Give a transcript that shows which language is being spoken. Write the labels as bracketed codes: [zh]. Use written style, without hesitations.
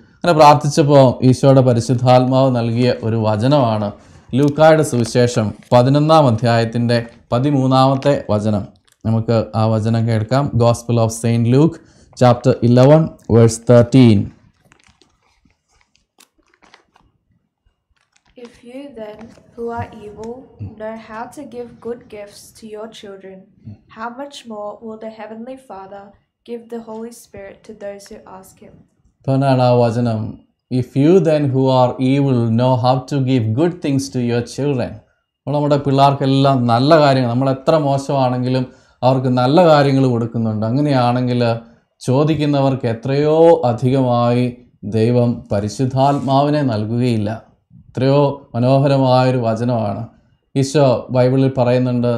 [ml] അങ്ങനെ പ്രാർത്ഥിച്ചപ്പോൾ ഈശോയുടെ പരിശുദ്ധാത്മാവ് നൽകിയ ഒരു വചനമാണ് ലൂക്കായുടെ സുവിശേഷം 11-ാം അധ്യായത്തിൻ്റെ 13-ാമത്തെ വചനം. നമുക്ക് ആ വചനം കേൾക്കാം. [en] Gospel of Saint Luke chapter 11 verse 13. If you then, who are evil, know how to give good gifts to your children, how much more will the Heavenly Father Give the Holy Spirit to those who ask Him. Panana vajanam. If you then who are evil know how to give good things to your children. [ml] നമ്മുടെ പിള്ളേർക്കെല്ലാം നല്ല കാര്യങ്ങൾ, നമ്മൾ എത്ര മോശമാണെങ്കിലും അവർക്ക് നല്ല കാര്യങ്ങൾ കൊടുക്കുന്നുണ്ട്. അങ്ങനെയാണെങ്കിൽ ചോദിക്കുന്നവർക്ക് എത്രയോ അധികമായി ദൈവം പരിശുദ്ധാത്മാവിനെ നൽകുകയില്ല. എത്രയോ മനോഹരമായൊരു വചനമാണ് ഈശോ ബൈബിളിൽ പറയുന്നുണ്ട്.